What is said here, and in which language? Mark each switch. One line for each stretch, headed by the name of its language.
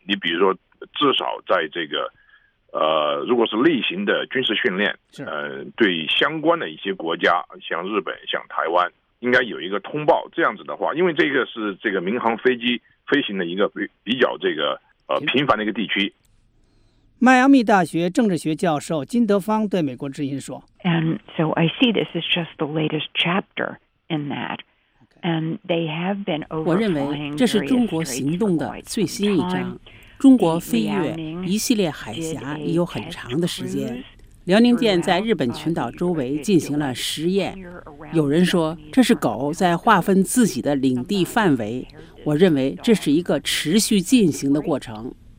Chinese: 你比如说，至少在这个如果是例行的军事训练，对相关的一些国家，像日本，像台湾，应该有一个通报。这样子的话，因为这个是这个民航飞机飞行的一个比较这个频繁的一个地区。迈阿密大学政治学教授金德芳对美国之音说
English: ：“And so I see this is just the latest chapter in that, and they have been overflying.
Chinese: 我认为这是中国行动的最新一章。中国飞越一系列海峡已有很长的时间。” 辽宁舰在日本群岛周围进行了实验，有人说这是狗在划分自己的领地范围，我认为这是一个持续进行的过程。